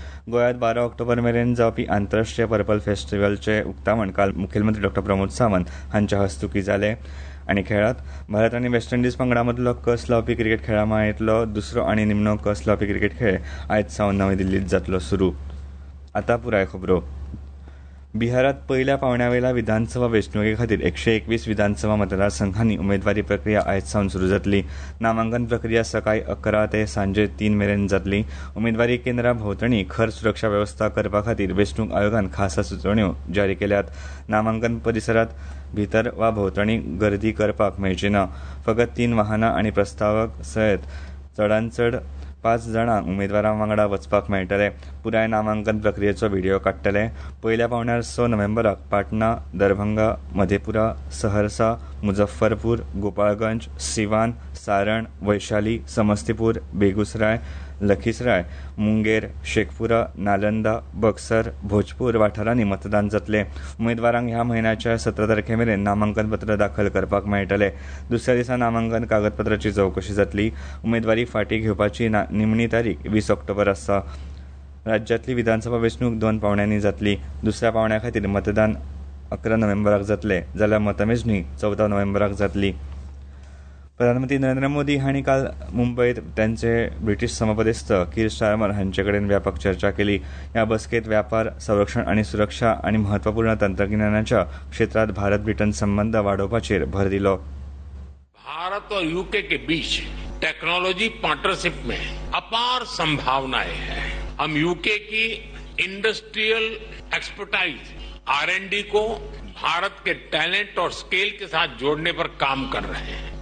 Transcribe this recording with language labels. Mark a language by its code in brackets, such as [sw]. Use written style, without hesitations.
[kok] गोंयांत 12 ऑक्टोबर मेरेन जावपी आंतरराष्ट्रीय पर्पल फेस्टिवलचे उक्तावण काल मुखेलमंत्री डॉ प्रमोद सावंत हांच्या हस्तुकी जाले. आनी खेळात. भारत आनी वेस्ट इंडीज पंगडामधलो कस लावपी क्रिकेट खेळा माळेंतलो दुसरो आनी निमणो कस लावपी क्रिकेट खेळ आयज सावन नवी दिल्लींत जातलो सुरू. आतां पुराय खबरो. बिहारांत पयल्या पांवड्यावेल्या विधानसभा वेंचणुके खातीर 121 विधानसभा मतदारसंघांनी उमेदवारी प्रक्रिया आयज सावन सुरू जातली. नामांकन प्रक्रिया सकाळी 11 ते सांजे 3 मेरेन जातली. उमेदवारी केंद्रां भोंवतणी खर सुरक्षा वेवस्था करपा खातीर वेंचणूक आयोगान खासा सुचोवण्यो जारी केल्यात. नामांकन परिसरात भितर वा भोंवतणी गर्दी करपाक मेळची ना. फकत 3 वाहनां आनी प्रस्तावक सयत चडांत चड 5 जणांक उमेदवारां वांगडा वचपाक मेळटले. पुराय नामांकन प्रक्रियेचो व्हिडियो काडटले. पयल्या पांवड्यार 6 नोव्हेंबराक पाटणा, दरभंगा, मधेपुरा, सहरसा, मुझफ्फरपूर, गोपाळगंज, सिवान, सारण, वैशाली, समस्तीपूर, बेगुसराय, लखीसराय, मुंगेर, शेखपुरा, नालंदा, बक्सर, भोजपूर वाठारांनी मतदान जातले. उमेदवारांक ह्या म्हयन्याच्या 17 तारखेमेरेन नामांकन पत्र दाखल करपाक मेळटले. दुसऱ्या दिसा नामांकन कागदपत्राची चौकशी जातली. उमेदवारी फाटी घेवपाची निमणी तारीख 20 ऑक्टोबर आसा. राज्यातली विधानसभा वेंचणूक 2 पांवड्यांनी जातली. दुसऱ्या पांवड्या खातीर मतदान 11 नोव्हेंबराक जातले जाल्यार मतमेजणी 14 नोव्हेंबराक जातली. प्रधानमंत्री नरेंद्र मोदी हांणी काल मुंबयत तांचे ब्रिटीश समपदेस्त कीर स्टार्मर हांचे कडेन व्यापक चर्चा केली. ह्या बसकेंत व्यापार, संरक्षण आनी सुरक्षा आनी म्हत्वपूर्ण तंत्रगिन्यानाच्या क्षेत्रांत भारत ब्रिटन संबंद वाडोवपाचेर भर दिलो. [hi] भारत और यूके के बीच टेक्नोलॉजी पार्टनरशिप में अपार संभावनाएं हैं. हम यूके की इंडस्ट्रियल एक्सपर्टाइज R&D को भारत के टैलेंट और स्केल के साथ जोड़ने पर काम कर रहे हैं.